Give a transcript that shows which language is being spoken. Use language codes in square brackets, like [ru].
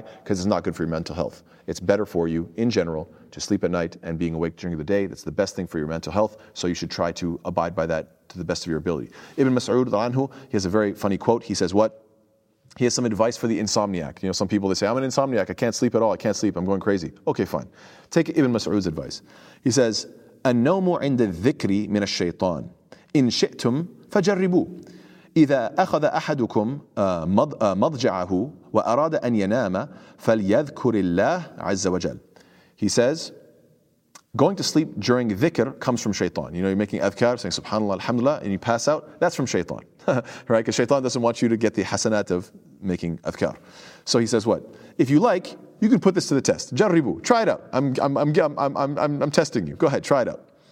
[en] Because it's not good for your mental health. It's better for you, in general, to sleep at night and being awake during the day. That's the best thing for your mental health, so you should try to abide by that to the best of your ability. Ibn Mas'ud, he has a very funny quote. He says what? He has some advice for the insomniac. You know, some people, they say, I'm an insomniac, I can't sleep at all, I can't sleep, I'm going crazy. Okay, fine. Take Ibn Mas'ud's advice. He says, [ar] النوم عند الذكر من الشيطان إن شئتم فجربوا إذا أخذ أحدكم مضجعه وأراد أن ينام فليذكر الله عز وجل. [en] He says, going to sleep during dhikr comes from shaitan. You know, you're making adhkar, saying subhanAllah, alhamdulillah, and you pass out, that's from shaitan. Right? Because shaitan doesn't want you to get the hasanat of making adhkar. So he says what? If you like, you can put this to the test. Jarribu, try it out. I'm testing you. Go ahead, try it out.